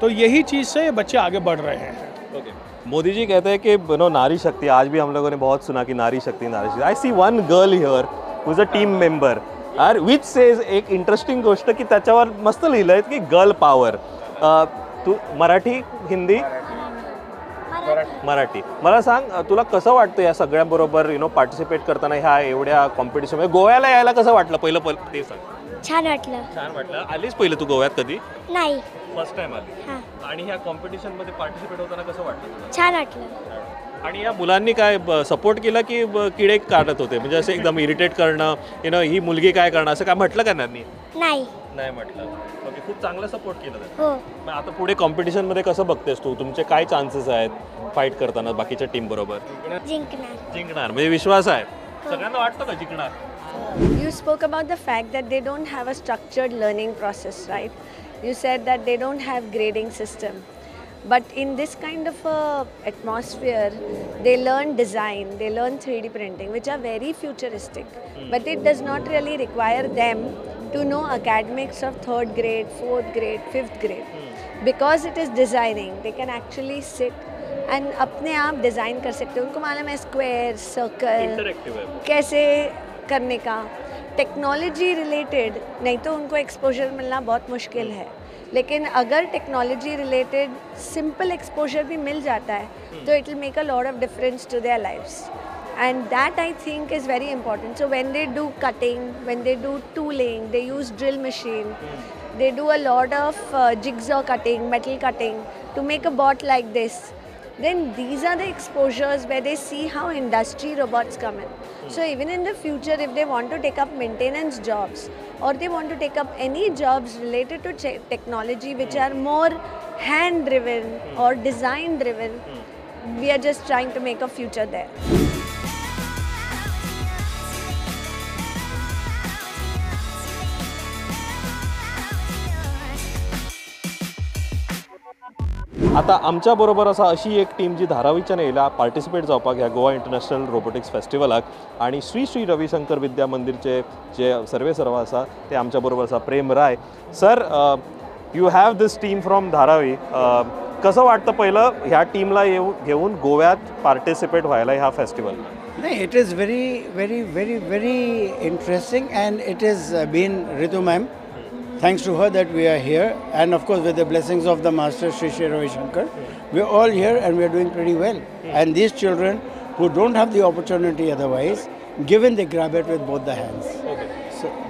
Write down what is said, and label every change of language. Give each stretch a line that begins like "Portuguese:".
Hindi: तो यही चीज़ से ये बच्चे आगे बढ़ रहे हैं। मोदी जी कहते हैं कि बनो नारी शक्ति, आज भी हम लोगों ने बहुत सुना कि नारी शक्ति, नारी शक्ति।
English: I see one girl here who is a team member or which says,
Marathi: एक इंटरेस्टिंग गोष्ट की त्याच्यावर मस्त लिहिलंय की गर्ल पॉवर। तू मराठी हिंदी? मराठी। मला सांग, तुला कसं वाटतं या सगळ्यांबरोबर
English: you know
Marathi: पार्टिसिपेट करताना ह्या एवढ्या कॉम्पिटिशन मध्ये गोव्याला यायला कसं वाटलं पहिलं? ते सांग। छान वाटलं। छान वाटलं। आलीस पहिले तू गोव्यात कधी? नाही, फर्स्ट टाइम आली। आणि ह्या कॉम्पिटिशन मध्ये पार्टिसिपेट होताना कसं वाटलं? छान वाटलं। आणि या मुलांनी काय सपोर्ट केला की किडे काढत होते, म्हणजे असं एकदम इरिटेट करणं,
English: you know
Marathi: ही मुलगी काय करणार, असं काय म्हटलं का त्यांनी? नाही नाही म्हटलं। ओके, खूप चांगला सपोर्ट केला त्यांनी। आता पुढे कॉम्पिटिशन मध्ये कसं बघतेस तू, तुमचे काय चान्सेस आहेत फाइट करताना बाकीच्या टीम बरोबर? जिंकणार म्हणजे विश्वास आहे सगळ्यांना वाटतं का जिंकणार?
English: You spoke about the fact that they don't have a structured learning process, right? You said that they don't have grading system, but in this kind of atmosphere they learn design, they learn 3D printing which are very futuristic, but it does not really require them to know academics of 3rd grade, 4th grade, 5th grade, because it is designing, they can actually sit and
Hindi: अपने आप design कर सकते हैं। उनको मालूम है square circle कैसे करने का, टेक्नोलॉजी रिलेटेड, नहीं तो उनको एक्सपोजर मिलना बहुत मुश्किल है, लेकिन अगर टेक्नोलॉजी रिलेटेड सिंपल एक्सपोजर भी मिल जाता है तो
English: It will make a lot of difference to their lives, and that I think is very important. So when they do cutting, when they do tooling, they use drill machine, they do a lot of jigsaw cutting, metal cutting to make a bot like this, then these are the exposures where they see how industry robots come in. So even in the future, if they want to take up maintenance jobs or they want to take up any jobs related to technology which are more hand driven or design driven, we are just trying to make a future there.
Goan Konkani: आता आमच्या बरोबर असा अशी एक team जी धारावीच्यान येला participate जावपाक ह्या गोवा इंटरनॅशनल रोबोटिक्स फेस्टिवलाक, आणि श्री श्री रविशंकर विद्या मंदिरचे जे सर्वे सर्व असा ते आमच्या बरोबर असा प्रेम राय।
Marathi: Sir,
English: you have this team from Dharavi,
Marathi: कसं वाटतं पहिलं ह्या टीमला घेऊन गोव्यात पार्टिसिपेट व्हायला ह्या फेस्टिवल?
English: नाही, it is very very very very interesting and it is been Ritu ma'am, thanks to her that we are here, and of course with the blessings of the master Sri Sri Ravi Shankar, we are all here and we are doing pretty well. And these children who don't have the opportunity otherwise, given they grab it with both the hands.